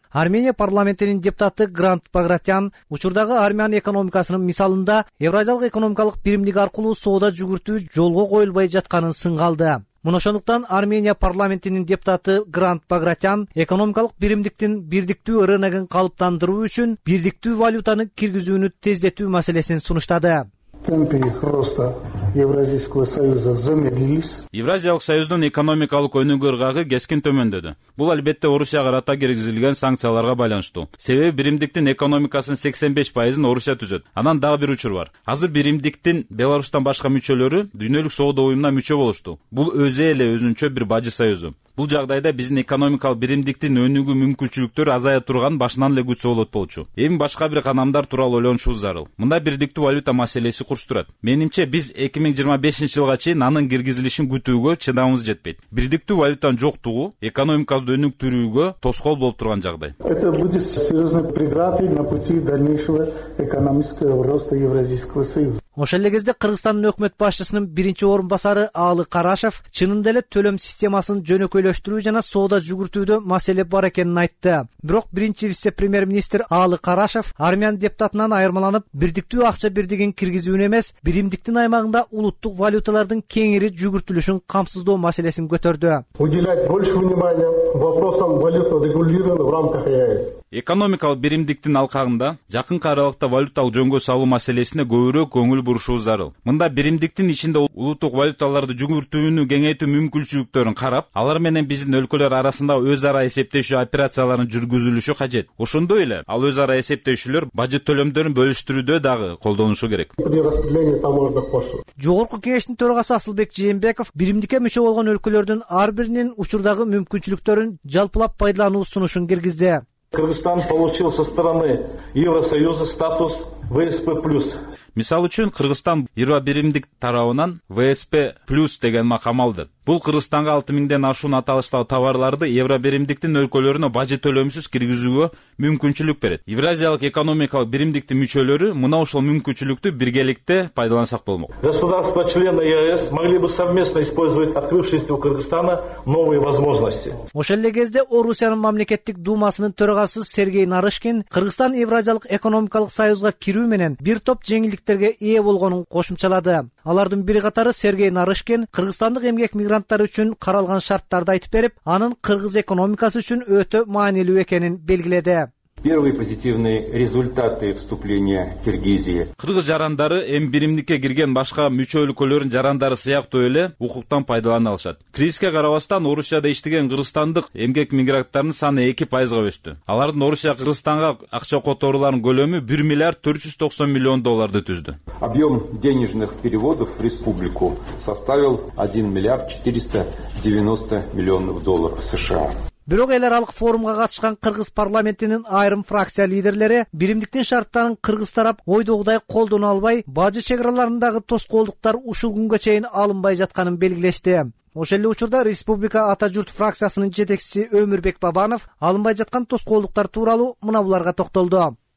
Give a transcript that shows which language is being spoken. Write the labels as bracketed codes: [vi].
[ky] Армения парламентинин депутаты Грант Багратян учурдагы армян экономикасынын мисалында Евразиялык экономикалык биримдик аркылуу соода жүгүртүү жолго коюлбай жатканын сынга алды. Мунашондуктан Армения парламентинин депутаты Грант Багратян экономикалык биримдиктин бирдиктүү рыногун калыптандыруу үчүн бирдиктүү валютаны киргизүүнү тездетүү маселесин сунуштады. [ru] Темпы роста Евразийского союза замедлились. [ky] Евразиялык союздун экономикалык өнүгүү ыргагы кескин төмөндөдү. Бул албетте Орусияга карата киргизилген санкцияларга байланыштуу. Себеби биримдиктин экономикасынын 85% Орусия түзөт. Анан дагы бир учур бар. Азыр биримдиктин Беларусьтан башка мүчөлөрү дүйнөлүк соода уюмуна мүчө болушту. Бул өзү эле өзүнчө бир бажы союзу. Бул жагдайда биздин экономикалык биримдиктин өнүгүү мүмкүнчүлүктөрү азая турган башынан эле күчсө болот болчу. Эми башка бир канамдар тууралуу ойлонушубуз зарыл. Мында бирдиктүү валюта маселеси курчтурат. Менимче биз 2025 жылга чейин анын киргизилишин күтүүгө чыдамыбыз жетпейт. Бирдиктүү валютанын жоктугу экономикабызды өнүктүрүүгө тоскоол болуп турган жагдай. [ru] Это будет серьезной преградой на пути дальнейшего экономического роста Евразийского союза. [ky] Ошол эле кезде Кыргызстандын өкмөт башчысынын биринчи орун басары Аалы Карашев чынында эле төлөм системасын жөнөкөйлөштүрүү жана соода жүгүртүүдө маселе бар экенин айтты. Бирок биринчи вице премьер министр Аалы Карашев армян депутатынан айырмаланып бирдиктүү акча бирдигин киргизүүнү эмес биримдиктин аймагында улуттук валюталардын кеңири жүгүртүлүшүн камсыздоо маселесин көтөрдү. [ru] Уделять больше внимания вопросам валютного регулирования в рамках ЕАЭС. [ky] Экономикалык биримдиктин алкагында жакынкы аралыкта валюталык жөнгө салуу маселесине көбүрөөк көңүл бурушубуз зарыл. Мында биримдиктин ичинде улуттук валюталарды жүгүртүүнү кеңейтүү мүмкүнчүлүктөрүн карап, алар менен биздин өлкөлөр арасында өз ара эсептешүү операцияларын жүргүзүлүшү кажет. Ошондой эле ал өз ара эсептешүүлөр бажы төлөмдөрүн бөлүштүрүүдө дагы колдонушу керек. Жогорку кеңештин төрагасы Асылбек Жээнбеков биримдикке мүчө болгон өлкөлөрдүн ар биринин учурдагы мүмкүнчүлүктөрүн жалпылап пайдалануу сунушун киргизди. [ru] Кыргызстан получил со стороны Евросоюза статус ВСП+. [ky] Мисал үчүн Кыргызстан Европа биримдик тарабынан ВСП+ деген макам алды. Бул Кыргызстанга 6000 ашуун аталыштагы товарларды Европа биримдиктин өлкөлөрүнө бажы төлөмсүз киргизүүгө мүмкүнчүлүк берет. Евразиялык экономикалык биримдиктин мүчөлөрү мына ошол мүмкүнчүлүктү биргеликте пайдалансак болмок. [ru] Государства члены ЕАЭС могли бы совместно использовать открывшиеся у Кыргызстана новые возможности. [ky] Ошол эле кезде Орусиянын мамлекеттик думасынын төрагасы Сергей Нарышкин Кыргызстан Евразиялык экономикалык союзга кирүү менен бир топ жеңилдиктерге ээ болгонун кошумчалады. Алардын бири катары Сергей Нарышкин кыргызстандык эмгек мигранттар үчүн каралган шарттарды айтып берип, анын кыргыз экономикасы үчүн өтө маанилүү экенин белгиледи. [ru] Первые позитивные результаты вступления Киргизии. [ky] Кыргыз жарандары эми биримдикке кирген башка мүчө өлкөлөрдүн жарандары сыяктуу эле укуктан пайдалана алышат. Кризиске карабастан Орусияда иштеген кыргызстандык эмгек мигранттарынын саны 2% өстү. Алардын Орусия Кыргызстанга акча которууларынын көлөмү 1,490,000,000 түздү. [ru] Объем денежных переводов в республику составил 1,490,000,000 США. [ky] Бирок эл аралык форумга катышкан кыргыз парламентинин айрым фракция лидерлери биримдиктин шарттарын кыргыз тарап ойдогудай колдоно албай, бажы чек аралыгындагы тоскоолдуктар ушул күнгө чейин алынбай жатканын белгилешти. Ошол эле учурда Республика Ата Журт фракциясынын жетекчиси Өмүрбек Бабанов алынбай жаткан тоскоолдуктар тууралуу мына буларга токтолду.